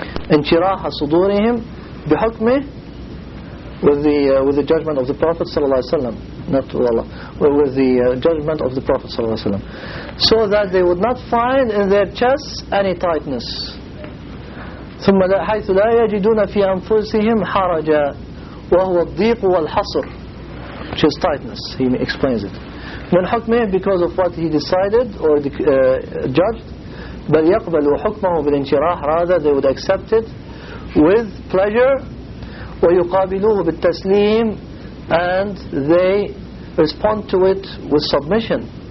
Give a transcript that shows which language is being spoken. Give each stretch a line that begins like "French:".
Arabic: انشراح صدورهم بحكمه,
English: with the judgment of the Prophet sallallahu alaihi wasallam. Not to Allah, with the judgment of the Prophet sallallahu alaihi wasallam, so that they would not find in their chests any tightness.
Arabic: ثم حيث لا يجدون في أنفسهم حرجا وهو الضيق والحصر,
English: which is tightness. He explains it.
Arabic: من حكمه,
English: because of what he decided or judged.
Arabic: بل يقبلوا حكمه بالانشراح,
English: rather they would accept it with pleasure.
Arabic: ويقابلوه بالتسليم,
English: and they respond to it with submission.